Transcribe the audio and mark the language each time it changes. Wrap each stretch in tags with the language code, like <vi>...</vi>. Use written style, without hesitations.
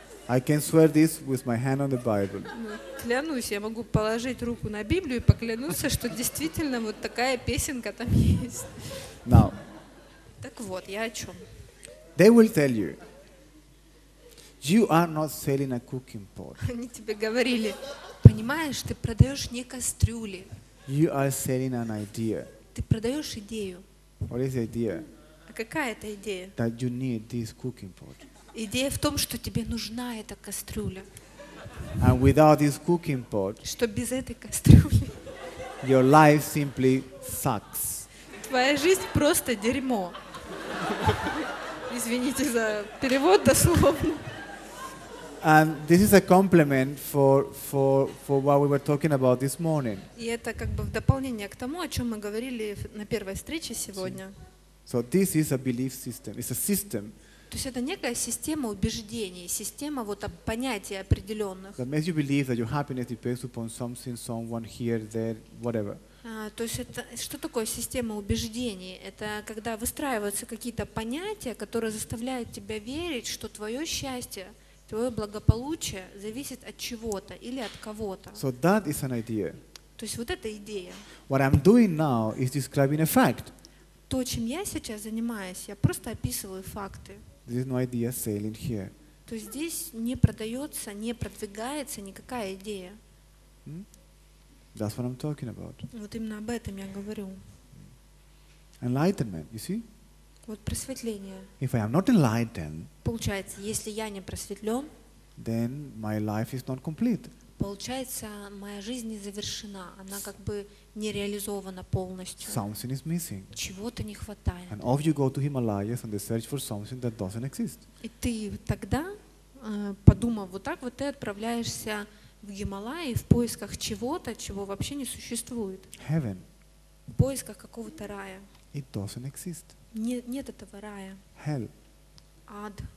<en>I can swear this with my hand on the Bible.</en> <ru>Клянусь, я могу положить руку на Библию и поклянуться, что действительно вот такая песенка там есть.</ru> <en>Now.</en> <ru>Так вот, я о чем?</ru> <en>They will tell you. You are not selling a cooking pot.</en> <ru>Они тебе говорили, понимаешь, ты продаешь не кастрюли.</ru> <en>You are selling an idea.</en> <ru>Ты продаешь идею.</ru> <en>What is the idea?</en> <ru>А какая это идея?</ru> <en>That you need this cooking pot.</en> <ru>Идея в том, что тебе нужна эта кастрюля.</ru> <en>And without this cooking pot,</en> <ru>что без этой кастрюли,</ru> <en>your life simply sucks.</en> <ru>Твоя жизнь просто дерьмо. Извините за перевод дословно.</ru> <en>And this is a compliment for what we were talking about this morning.</en> <ru>И это как бы в дополнение к тому, о чем мы говорили на первой встрече сегодня.</ru> <en>So this is a belief system. It's a system.</en> <ru>То есть это некая система убеждений, система вот понятий определенных.</ru> <en>That makes you believe that your happiness depends upon something, someone here, there, whatever.</en> <ru>То есть это что такое система убеждений? Это когда выстраиваются какие-то понятия, которые заставляют тебя верить, что твое счастье, твое благополучие зависит от чего-то или от кого-то.</ru> <en>So that is an idea.</en> <ru>То есть вот эта идея.</ru> <en>What I'm doing now is describing a fact.</en> <ru>То, чем я сейчас занимаюсь, я просто описываю факты.</ru> <en>There is no idea selling here.</en> <ru>То есть здесь не продается, не продвигается никакая идея.</ru> <en>Hmm? That's what I'm talking about.</en> <ru>Вот именно об этом я говорю.</ru> <en>Enlightenment, you see?</en> <ru>Вот просветление.</ru> <en>If I am not enlightened,</en> <ru>получается, если я не просветлен,</ru> <en>then my life is not complete.</en> <ru>Получается, моя жизнь не завершена, она как бы не реализована полностью.</ru> <en>Something is missing.</en> <ru>Чего-то не хватает.</ru> <en>And off you go to Himalayas and they search for something that doesn't exist.</en> <ru>И ты тогда, подумав вот так, вот ты отправляешься в Гималаи в поисках чего-то, чего вообще не существует.</ru> <en>Heaven.</en> <ru>В поисках какого-то рая.</ru> <en>It doesn't exist.</en> <ru>Нет этого рая.</ru> <en>Hell.</en> <ru>Ад.</ru>